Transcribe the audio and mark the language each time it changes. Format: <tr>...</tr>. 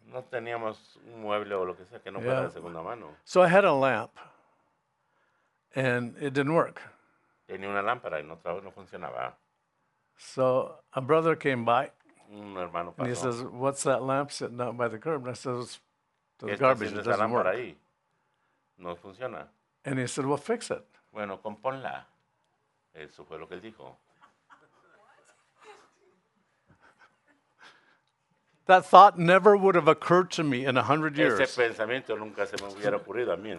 <es>No teníamos un mueble o lo que sea que no fuera de segunda mano.</es> <en>So I had a lamp, and it didn't work.</en> <es>Tenía una lámpara y no funcionaba.</es> <en>So a brother came by,</en> <es>un hermano pasó.</es> <en>And he says, what's that lamp sitting out by the curb? And I said, it's to the garbage, it doesn't work.</en> <es>Ahí. No funciona.</es> <en>And he said, well, fix it.</en> <es>Bueno, compónla. Eso fue lo que él dijo.</es> <en>That thought never would have occurred to me in 100 years.</en> <es>Ese pensamiento nunca se me hubiera ocurrido a mí.</es>